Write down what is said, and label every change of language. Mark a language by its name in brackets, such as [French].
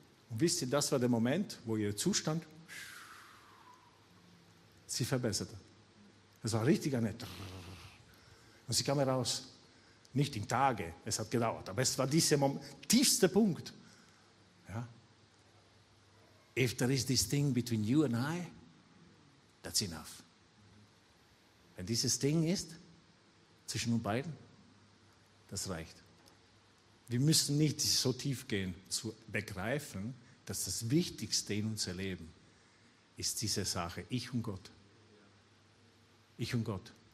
[German] Und wisst ihr, das war der Moment, wo ihr Zustand sie verbesserte. Es war richtig eine und sie kam heraus. Nicht in Tage, es hat gedauert, aber es war dieser tiefste Punkt. Ja. [English] If there is this thing between you and I, that's enough. [German] Wenn dieses Ding ist, zwischen uns beiden, das reicht. Wir müssen nicht so tief gehen, zu begreifen, dass das Wichtigste in unserem Leben ist diese Sache, ich und Gott. Ich und Gott.